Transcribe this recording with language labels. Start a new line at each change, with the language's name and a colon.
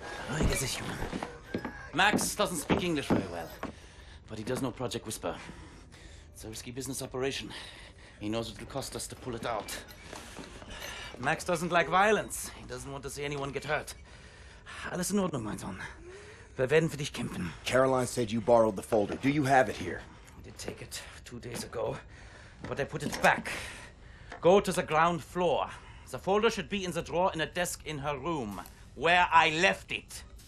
English: Oh, he is a human. Max doesn't speak English very well, but he does know Project Whisper. It's a risky business operation. He knows what it'll cost us to pull it out. Max doesn't like violence. He doesn't want to see anyone get hurt.
German: Alles in Ordnung, mein Sohn. Wir werden für dich kämpfen.
English: Caroline said you borrowed the folder. Do you have it here? I did take it 2 days ago, but I put it back. Go to the ground floor. The folder should be in the drawer in a desk in her room, where I left it.